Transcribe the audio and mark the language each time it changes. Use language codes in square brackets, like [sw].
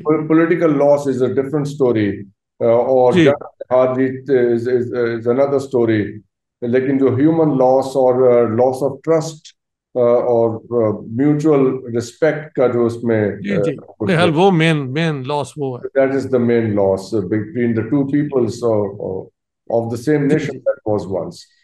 [en] Political loss is a different story, اور is another story. [ur] لیکن جو [en] human loss [ur] اور [en] loss of trust [ur] اور [en] mutual respect [ur] کا جو اس میں وہ مین لاس وہ ہے, [en] That is the main loss between the two peoples of the same nation that was once.